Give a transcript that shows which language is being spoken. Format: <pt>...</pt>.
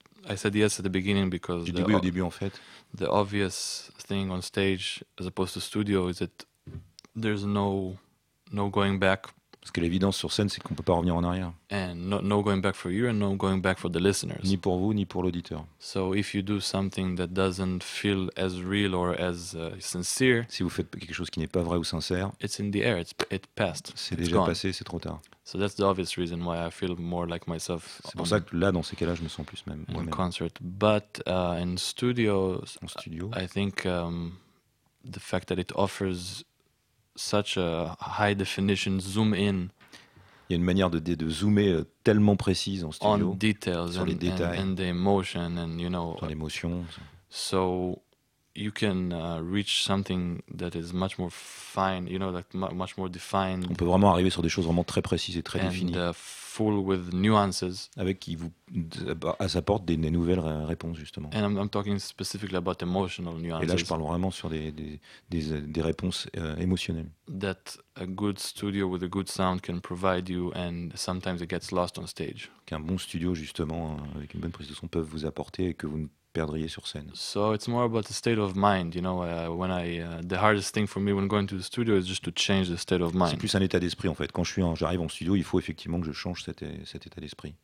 <en>I said yes at the beginning because the obvious thing on stage as opposed to studio is that there's no going back.</en> <fr>Parce que l'évidence sur scène, c'est qu'on peut pas revenir en arrière.</fr> <en>And no going back for you and no going back for the listeners.</en> <fr>Ni pour vous ni pour l'auditeur.</fr> <en>So if you do something that doesn't feel as real or as sincere,</en> <fr>si vous faites quelque chose qui n'est pas vrai ou sincère,</fr> <en>it's in the air, it passed.</en> <fr>C'est déjà</fr> <en>gone.</en> <fr>Passé, c'est trop tard.</fr> <en>So that's the obvious reason why I feel more like myself.</en> <fr>C'est pour ça que là dans ces cas-là, je me sens plus même moi-même.</fr> <en>In concert, but in studios,</en> <fr>en studio,</fr> <en>I think the fact that it offers such a high definition zoom in.</en> <fr>Il y a une manière de zoomer tellement précise en studio.</fr> <en>On details,</en> <fr>sur les détails.</fr> <en>And the emotion, and you know.</en> <fr>Sur l'émotion.</fr> <en>So you can reach something that is much more fine, you know, like much more defined.</en> <fr>On peut vraiment arriver sur des choses vraiment très précises et très définies.</fr> <en>And full with nuances.</en> <fr>Avec qui vous apporte des nouvelles réponses justement.</fr> <en>And I'm talking specifically about emotional nuances.</en> <fr>Et là, je parle vraiment sur des réponses émotionnelles.</fr> <en>That a good studio with a good sound can provide you, and sometimes it gets lost on stage.</en> <fr>Qu'un bon studio justement avec une bonne prise de son peuvent vous apporter et que vous ne perdriez sur scène.</fr> <en>So it's more about the state of mind, you know. When I the hardest thing for me when going to the studio is just to change the state of mind.</en> <fr>C'est plus un état d'esprit en fait. Quand j'arrive en studio, il faut effectivement que je change cet état d'esprit.</fr>